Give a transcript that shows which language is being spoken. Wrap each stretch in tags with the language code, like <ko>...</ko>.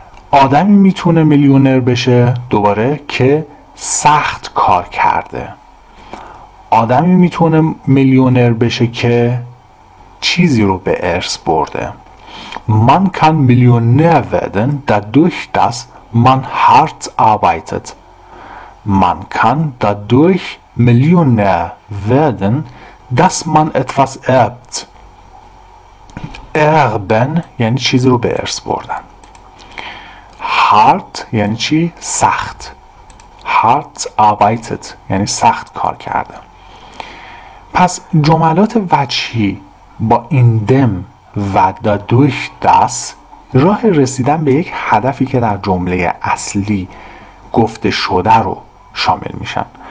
<fa>آدمی میتونه میلیونر بشه دوباره که سخت کار کرده. آدمی میتونه میلیونر بشه که چیزی رو به ارث برده.</fa> <de>من کان میلیونر ودن دادوش داس من هارت آرایتت. Man kann dadurch Millionär werden, dass man etwas erbt.</de> <fa>Erben یعنی چیز رو به ارث بردن. Hart یعنی چی؟ سخت.</fa> <de>Hart arbeitet</de> <fa>یعنی سخت کار کرده. پس جملات وجهی با این دم و</fa> <de>dadurch das</de> <fa>راه رسیدن به یک هدفی که در جمله اصلی گفته شده رو شامل میشن.</fa>